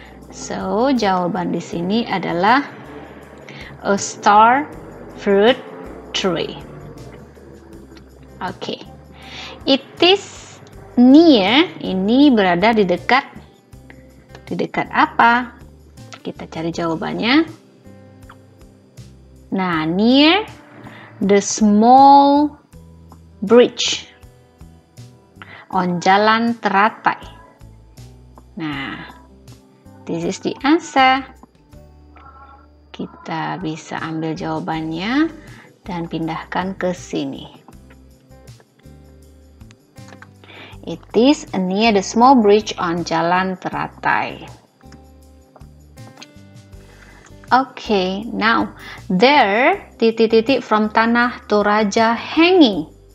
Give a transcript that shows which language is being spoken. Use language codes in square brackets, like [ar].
[id] So, jawaban di sini adalah [en] a star fruit tree. [id] Oke. [en] It is near, [id] ini berada di dekat apa? Kita cari jawabannya. [en] Nah, near the small bridge, on jalan teratai. Nah, this is the answer. [id] Kita bisa ambil jawabannya dan pindahkan ke sini. [en] It is near the small bridge on jalan teratai. Okay, now there titik titik from tanah Toraja hanging.